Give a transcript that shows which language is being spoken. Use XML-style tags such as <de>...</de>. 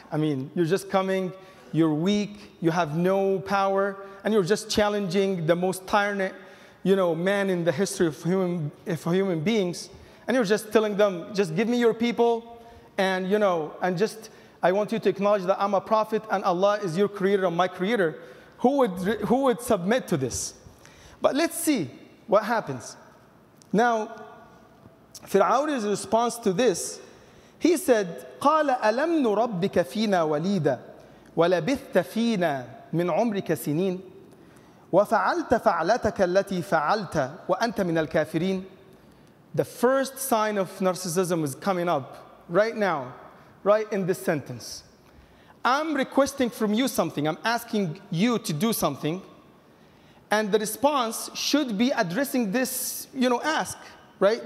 <en>I mean, you're just coming, you're weak, you have no power, and you're just challenging the most tyrant, you know, man in the history of human beings. And you're just telling them, just give me your people, and, you know, and just, I want you to acknowledge that I'm a prophet, and Allah is your creator and my creator. Who would submit to this? But let's see what happens. Now, Fir'aun's response to this, he said,</en> <ar>قَالَ أَلَمْ نُرَبِّكَ فِينَا وَلِيدًا وَلَبِثْتَ فِينَا مِنْ عُمْرِكَ سِنِينَ وَفَعَلْتَ فَعْلَتَكَ الَّتِي فَعَلْتَ وَأَنْتَ مِنَ الْكَافِرِينَ.</ar> <en>The first sign of narcissism is coming up right now, right in this sentence. I'm requesting from you something. I'm asking you to do something. And the response should be addressing this, you know, ask. Right?</en>